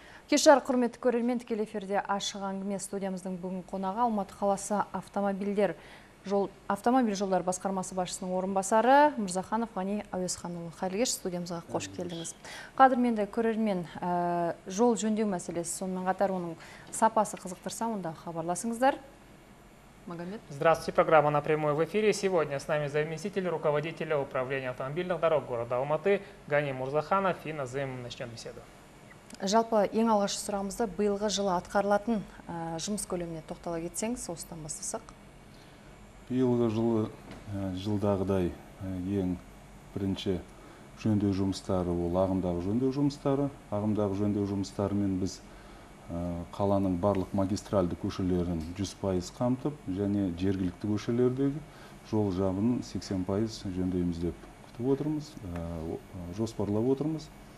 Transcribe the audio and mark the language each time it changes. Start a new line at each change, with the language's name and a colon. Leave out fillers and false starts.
Kazakh: Кешар, құрметті көрермен, тікелей эфирде ашық әңгіме студиямыздың бүгін қонағы Алматы қаласы автомобиль жолдары басқармасы басшысының орынбасары Мырзаханов Ғани Әуезханұлы. Қайырлы кеш, студиямызға қош келдіңіз. Қадірменді көрермен, жол жөндеу мәселесі, сонымен қатар оның сапасы қызықтырса, онда хабарласыңыздар.
Russian: Здравствуйте, программа напрямую в эфире. Сегодня с нами заместитель руководителя управления автомобильных дорог города Алматы Ғани Мырзаханов. И назовем, начнем беседу.
Kazakh: Жалпы, ең алғашы сұрамызды, биылғы жылы атқарылатын жұмыс көлеміне тоқтала кетсеңіз, осыдан бастасақ. Биылғы жылы жылдағыдай ең бірінші жөндеу жұмыстары ол ағымдағы жөндеу жұмыстары. Ағымдағы жөндеу жұмыстарымен біз қаланың барлық магистральды көшелерін 100% қамтып, және жергілікті көшелердегі жол жабын 80% жөндейміз деп күтіп отырмыз, жоспарлап отырмыз.